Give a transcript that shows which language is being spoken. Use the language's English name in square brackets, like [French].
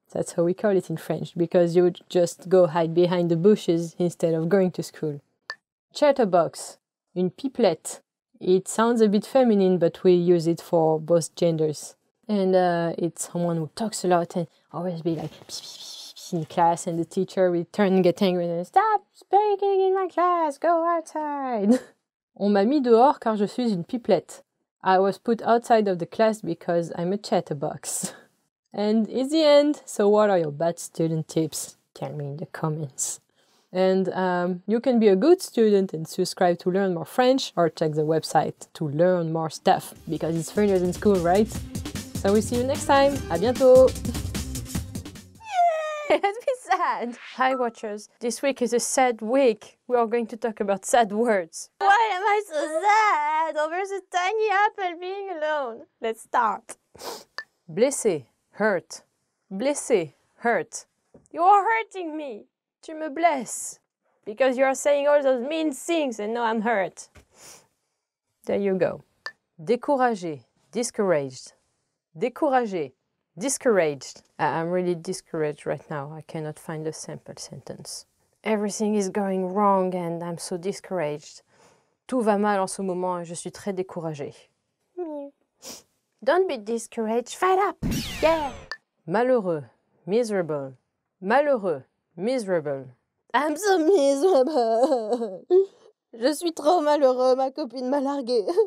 [English] That's how we call it in French, because you would just go hide behind the bushes instead of going to school. Chatterbox. [French] Une pipelette. [English] It sounds a bit feminine, but we use it for both genders. And it's someone who talks a lot and always be like in class and the teacher will turn and get angry and stop speaking in my class, go outside. [French] On m'a mis dehors car je suis une pipelette. [English] I was put outside of the class because I'm a chatterbox. And it's the end. So what are your bad student tips? Tell me in the comments. And you can be a good student and subscribe to learn more French or check the website to learn more stuff because it's funnier than school, right? So we'll see you next time. [French] À bientôt. [English] Yay! Don't be sad. Hi, watchers. This week is a sad week. We are going to talk about sad words. Why am I so sad over the tiny apple being alone? Let's start. Blessé, hurt. Blessé, hurt. You are hurting me. [French] Tu me blesses. [English] Because you are saying all those mean things and now I'm hurt. There you go. Découragé, discouraged. Découragé, discouraged. I'm really discouraged right now. I cannot find a simple sentence. Everything is going wrong and I'm so discouraged. [French] Tout va mal en ce moment et je suis très découragé. [English] Don't be discouraged, fight up! Yeah! Malheureux, miserable. Malheureux, miserable. I'm so miserable! [French] Je suis trop malheureux, ma copine m'a largué.